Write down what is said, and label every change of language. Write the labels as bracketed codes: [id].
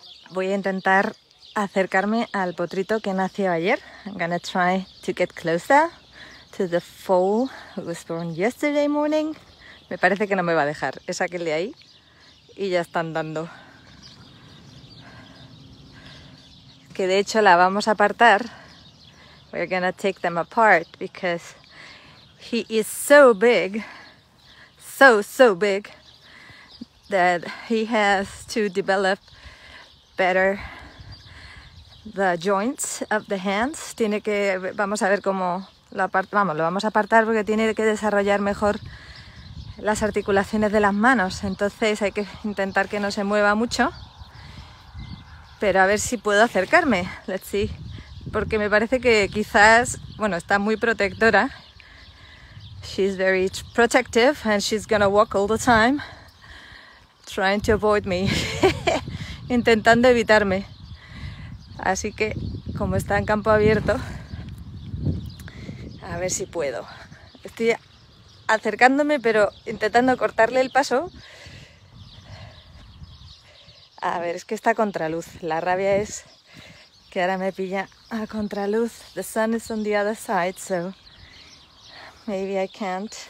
[es] Voy a intentar acercarme al potrito que nació ayer. [en] I'm gonna try to get closer to the foal who was born yesterday morning. [es] Me parece que no me va a dejar. Es aquel de ahí y ya está andando. Que de hecho la vamos a apartar. [en] We're gonna take them apart because he is so big, so big, that he has to develop better the joints of the hands. [es] Tiene que, vamos a ver cómo lo apartamos, vamos, lo vamos a apartar porque tiene que desarrollar mejor las articulaciones de las manos. Entonces hay que intentar que no se mueva mucho, pero a ver si puedo acercarme. [en] Let's see. [es] Porque me parece que quizás, bueno, está muy protectora. [en] She's very protective and she's gonna walk all the time trying to avoid me, [es] intentando evitarme. Así que, como está en campo abierto, a ver si puedo. Estoy acercándome, pero intentando cortarle el paso. A ver, es que está a contraluz. La rabia es que ahora me pilla a contraluz. [en] The sun is on the other side, so maybe I can't.